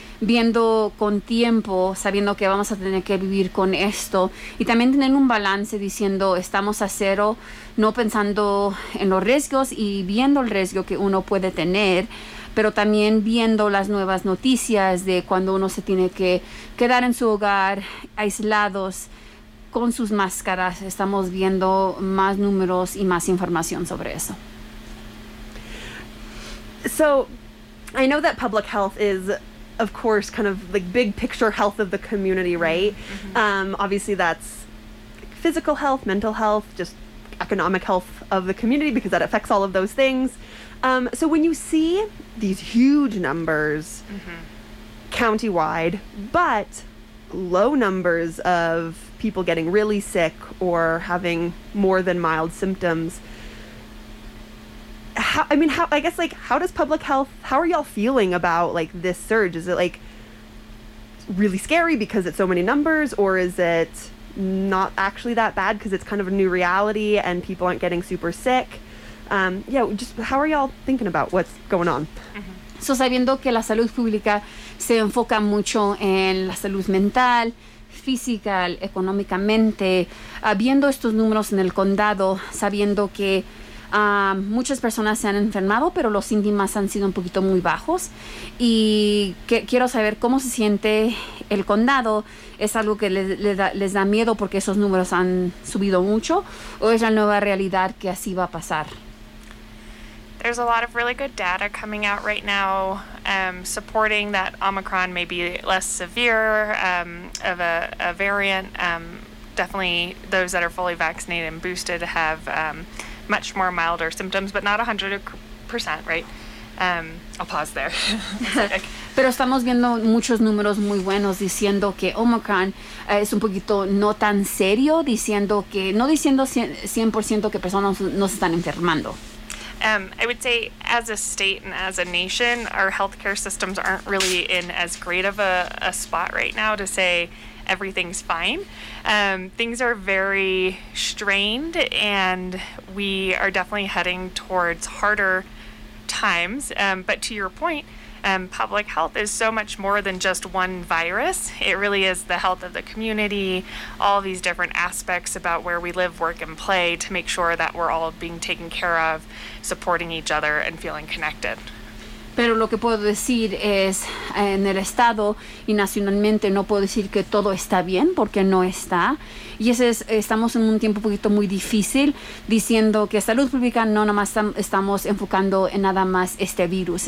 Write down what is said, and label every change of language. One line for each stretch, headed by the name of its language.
Spanish: Viendo con tiempo, sabiendo que vamos a tener que vivir con esto, y también tener un balance diciendo estamos a cero, no pensando en los riesgos y viendo el riesgo que uno puede tener, pero también viendo las nuevas noticias de cuando uno se tiene que quedar en su hogar aislados con sus máscaras. Estamos viendo más números y más información sobre eso.
English: So I know that public health is, of course, kind of like big picture health of the community, right? Mm-hmm. Obviously, that's physical health, mental health, just economic health of the community, because that affects all of those things. So when you see these huge numbers mm-hmm. countywide, but low numbers of people getting really sick or having more than mild symptoms, how are y'all feeling about like this surge? Is it like really scary because it's so many numbers, or is it not actually that bad because it's kind of a new reality and people aren't getting super sick? Just how are y'all thinking about what's going on? Mm-hmm.
Spanish: So sabiendo que la salud pública se enfoca mucho en la salud mental, física, económicamente, viendo estos números en el condado, sabiendo que muchas personas se han enfermado, pero los síntomas han sido un poquito muy bajos. Y quiero saber cómo se siente el condado. ¿Es algo que les da miedo porque esos números han subido mucho? ¿O es la nueva realidad que así va a pasar?
English: There's a lot of really good data coming out right now supporting that Omicron may be less severe of a variant. Definitely those that are fully vaccinated and boosted have much more milder symptoms, but not 100%, right? I'll pause there.
Spanish: Pero estamos viendo muchos números muy buenos diciendo que Omicron es un poquito no tan serio, diciendo que no diciendo 100% que personas no se están enfermando.
English: I would say, as a state and as a nation, our healthcare systems aren't really in as great of a spot right now to say everything's fine. Things are very strained, and we are definitely heading towards harder times. But to your point, public health is so much more than just one virus. It really is the health of the community, all these different aspects about where we live, work, and play to make sure that we're all being taken care of, supporting each other, and feeling connected.
Spanish: Pero lo que puedo decir es, en el estado y nacionalmente, no puedo decir que todo está bien, porque no está. Y ese es, estamos en un tiempo un poquito muy difícil, diciendo que salud pública no nada más estamos enfocando en nada más este virus.